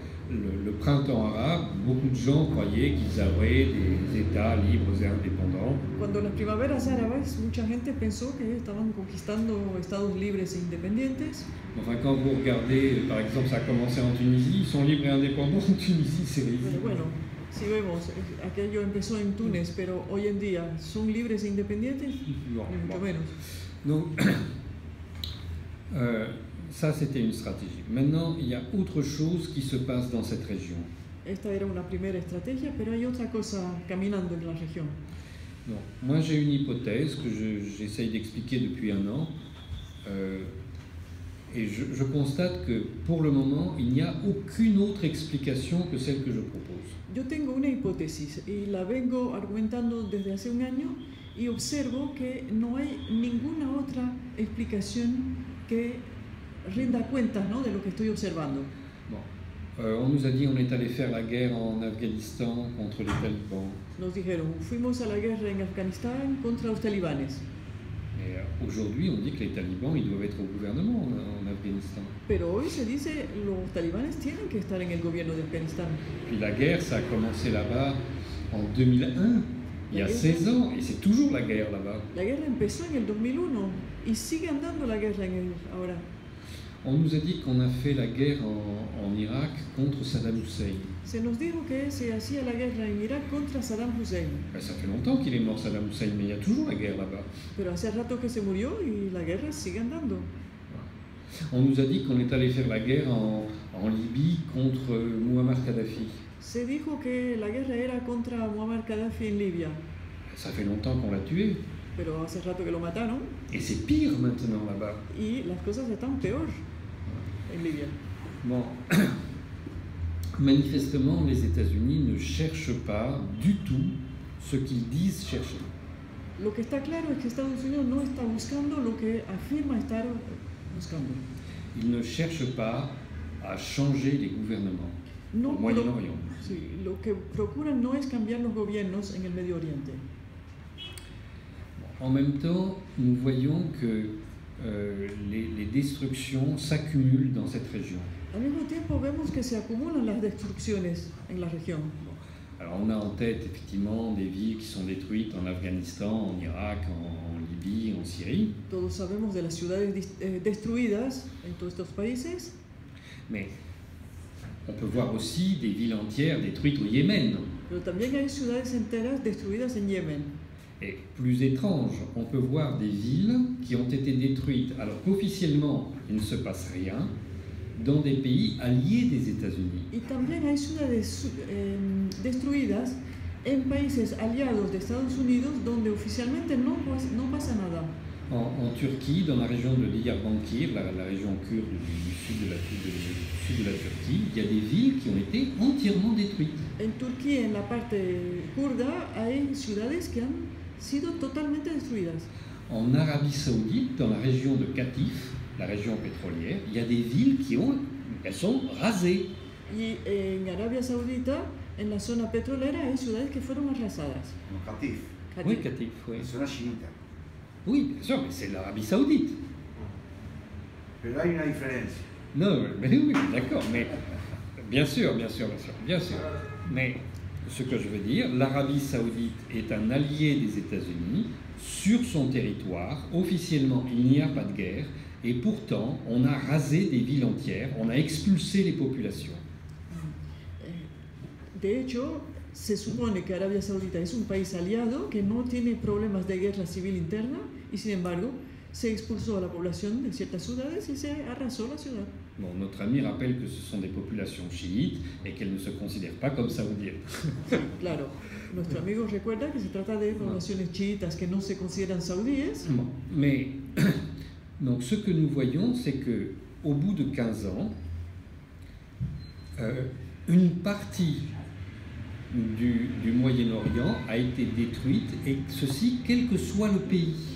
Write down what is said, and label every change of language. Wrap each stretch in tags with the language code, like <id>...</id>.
<fr>le printemps arabe, beaucoup de gens croyaient qu'ils avaient des États libres et indépendants.</fr> <es>Cuando las primaveras árabes, mucha gente pensó que estaban conquistando estados libres e independientes.</es> <fr>Enfin, quand vous regardez, par exemple, ça a commencé en Tunisie, ils sont libres et indépendants en Tunisie, c'est ridicule.</fr> <es>Bueno, si vemos, aquello empezó en Túnez, pero hoy en día, ¿son libres e independientes? Mucho menos.</es> <fr>Donc, ça c'était une stratégie. Maintenant, il y a autre chose qui se passe dans cette région.</fr> <es>Esta era una primera estrategia, pero hay otra cosa caminando en la región.</es> <fr>Bon, moi j'ai une hypothèse que j'essaye d'expliquer depuis un an. Et je constate que pour le moment, il n'y a aucune autre explication que celle que je propose.</fr> <es>Yo tengo una hipótesis y la vengo argumentando desde hace un año y observo que no hay ninguna otra explicación que rinda cuentas, ¿no?, de lo que estoy observando.</es> <fr>Bon. On nous a dit on est allé faire la guerre en Afganistán contre les talibans.</fr> <es>Nos dijeron, fuimos a la guerra en Afganistán contra los talibanes.</es> <fr>Et aujourd'hui, on dit que les talibans, ils doivent être au gouvernement en Afghanistan.</fr> <es>Pero hoy se dice los talibanes tienen que estar en el gobierno de Afganistán.</es> <fr>Puis la guerre, ça a commencé là-bas en 2001, la il y a 16 ans, et c'est toujours la guerre là-bas.</fr> <es>La guerra empezó en el 2001 y sigue andando la guerra en el ahora.</es> <fr>On nous a dit qu'on a fait la guerre en Irak contre Saddam Hussein.</fr> <es>Se nos dijo que se hacía la guerra en Irak contra Saddam Hussein.</es> <fr>Ben, ça fait longtemps qu'il est mort Saddam Hussein, mais il y a toujours la guerre là-bas.</fr> <es>Pero hace rato que se murió y la guerra sigue andando.</es> <fr>On nous a dit qu'on est allé faire la guerre en Libye contre Muammar Kadhafi.</fr> <es>Se dijo que la guerra era contra Muammar Kadhafi en Libia.</es> <fr>Ben, ça fait longtemps qu'on l'a tué.</fr> <es>Pero hace rato que lo mataron.</es> <fr>Et c'est pire maintenant là-bas.</fr> <es>Y las cosas están peor.</es> <fr>Bon, manifestement, les États-Unis ne cherchent pas du tout ce qu'ils disent chercher.</fr> <es>Lo que está claro es que Estados Unidos no está buscando lo que afirma estar buscando.</es> <fr>Ils ne cherchent pas à changer les gouvernements no, au Moyen-Orient.</fr> <es>Sí, lo que procuran no es cambiar los gobiernos en el Medio Oriente.</es> <fr>Bon, en même temps, nous voyons que les destructions s'accumulent dans cette région.</fr> <es>Al mismo tiempo vemos que se acumulan las destrucciones en la región.</es> <fr>Alors on a en tête effectivement des villes qui sont détruites en Afghanistan, en Irak, en Libye, en Syrie.</fr> <es>Todos sabemos de las ciudades destruidas en todos estos países.</es> <fr>Mais on peut voir aussi des villes entières détruites au Yémen.</fr> <es>Pero también hay ciudades enteras destruidas en Yemen.</es> <fr>Et plus étrange, on peut voir des villes qui ont été détruites alors qu'officiellement il ne se passe rien dans des pays alliés des États-Unis.</fr> <es>Y también hay ciudades destruidas en países aliados de Estados Unidos donde oficialmente no pasa nada.</es> <fr>En Turquie, dans la région de Diyarbakir, la région kurde du sud de la Turquie, il y a des villes qui ont été entièrement détruites.</fr> <es>En Turquía, en la parte kurda, hay ciudades que han sido totalmente destruidas.</es> <fr>En Arabie Saoudite, dans la région de Qatif, la région pétrolière, il y a des villes qui ont, elles sont rasées.</fr> <es>Y en Arabia Saudita, en la zona petrolera, hay ciudades que fueron arrasadas. En Qatif.</es> <fr>Oui, Qatif, oui.</fr> <es>La zona chiita.</es> <fr>Oui, bien sûr, mais c'est l'Arabie Saoudite.</fr> <es>Pero hay una diferencia.</es> <fr>Non, mais oui, d'accord, mais bien sûr, bien sûr, bien sûr, bien sûr, mais ce que je veux dire, l'Arabie Saoudite est un allié des États-Unis sur son territoire. Officiellement, il n'y a pas de guerre. Et pourtant, on a rasé des villes entières, on a expulsé les populations.</fr> <es>De hecho, se supone que Arabia Saudita es un país aliado que no tiene problemas de guerra civil interna. Y sin embargo, se expulsó a la población de ciertas ciudades y se arrasó la ciudad.</es> <fr>Bon, notre ami rappelle que ce sont des populations chiites et qu'elles ne se considèrent pas comme saoudiennes.</fr> <es>Claro,</es> <fr>notre ami</fr> <es>recuerda que se trata de populaciones chiitas que no se consideran saudíes.</es> <fr>Bon, mais donc ce que nous voyons, c'est que au bout de 15 ans, une partie du Moyen-Orient a été détruite et ceci quel que soit le pays.</fr>